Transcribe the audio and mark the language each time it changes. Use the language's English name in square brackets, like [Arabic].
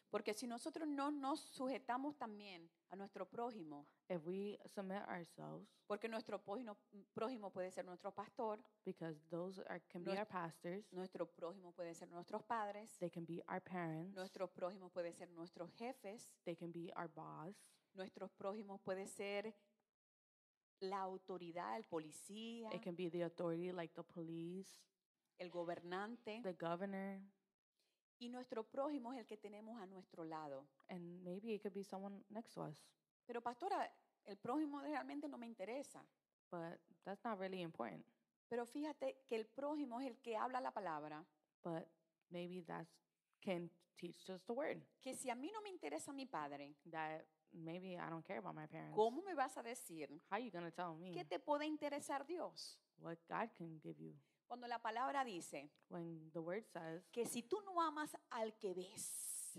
[Spanish] porque si nosotros no nos sujetamos también a nuestro prójimo, [English] if we submit ourselves, [Spanish] porque nuestro prójimo puede ser nuestro pastor, [English] because those are, can be our pastors, [Spanish] nuestro prójimo puede ser nuestros padres, [English] they can be our parents, [Spanish] nuestro prójimo puede ser nuestros jefes, [English] they can be our boss, [Spanish] nuestro prójimo puede ser la autoridad, el policía, [English] it can be the authority like the police, [Spanish] el gobernante, [English] the governor, [Spanish] y nuestro prójimo es el que tenemos a nuestro lado, [English] and maybe it could be someone next to us. [Spanish] Pero pastora, el prójimo realmente no me interesa. [English] But that's not really important. [Spanish] Pero fíjate que el prójimo es el que habla la palabra. [English] But maybe that can teach us the word. [Spanish] Que si a mí no me interesa mi padre, [English] that maybe I don't care about my parents. [Spanish] ¿Cómo me vas a decir? [English] How are you going to tell me? [Spanish] ¿Qué te puede interesar Dios? [English] What God can give you. [Spanish] Cuando la palabra dice, [English] when the word says, [Spanish] que si tú no amas al que ves,